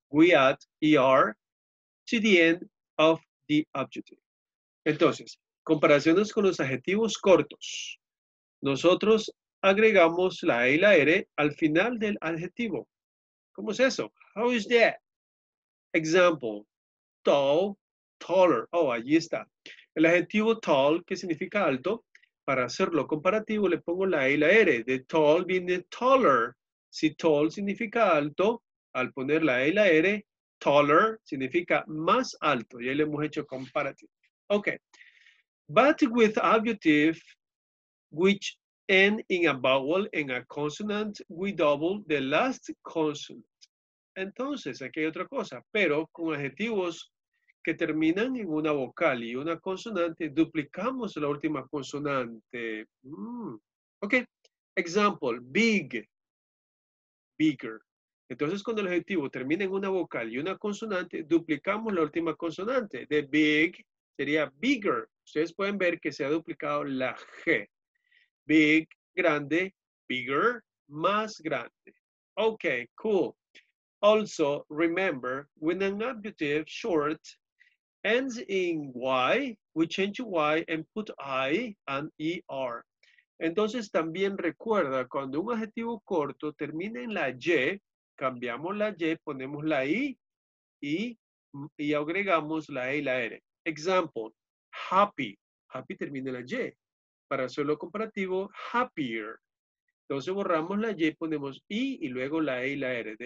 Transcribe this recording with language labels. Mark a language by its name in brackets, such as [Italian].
[English] We add ER to the end of the adjective. [Spanish] Entonces, comparaciones con los adjetivos cortos. Nosotros agregamos la E y la R al final del adjetivo. ¿Cómo es eso? [English] How is that? Example, tall, taller. Oh, [Spanish] allí está. El adjetivo tall, que significa alto, para hacerlo comparativo le pongo la E y la R. The tall viene taller. Si tall significa alto, al poner la E y la R, taller significa más alto. Ya le hemos hecho comparative. Ok. [English] But with adjective, which end in a vowel and a consonant, we double the last consonant. [Spanish] Entonces, aquí hay otra cosa. Pero con adjetivos que terminan en una vocal y una consonante, duplicamos la última consonante. Ok. [English] Example, big. Bigger. [Spanish] Entonces, cuando el adjetivo termina en una vocal y una consonante, duplicamos la última consonante. The big sería bigger. Ustedes pueden ver que se ha duplicado la G. [English] big, grande, bigger, [Spanish] más grande. [English] Okay, cool. Also, remember, when an adjective short ends in Y, we change Y and put I and ER. [Spanish] Entonces, también recuerda, cuando un adjetivo corto termina en la Y, cambiamos la Y, ponemos la I y agregamos la E y la R. [English] Example, happy. [Spanish] Happy termina en la Y. Para hacerlo comparativo, happier. Entonces borramos la Y, ponemos I y luego la E y la R.